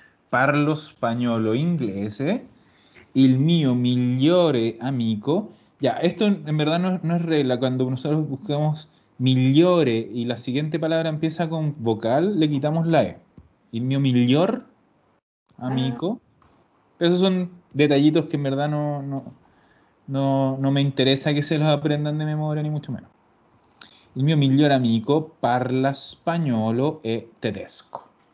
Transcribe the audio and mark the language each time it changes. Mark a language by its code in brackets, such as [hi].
[it] Parlo spagnolo inglese. Il mio migliore amico. [es] Ya, esto en verdad no es regla. Cuando nosotros buscamos migliore y la siguiente palabra empieza con vocal, le quitamos la e. [it] Il mio miglior amico. [es] Pero esos son detallitos que en verdad no me interesa que se los aprendan de memoria, ni mucho menos. [it] Il mio miglior amico parla spagnolo e tedesco.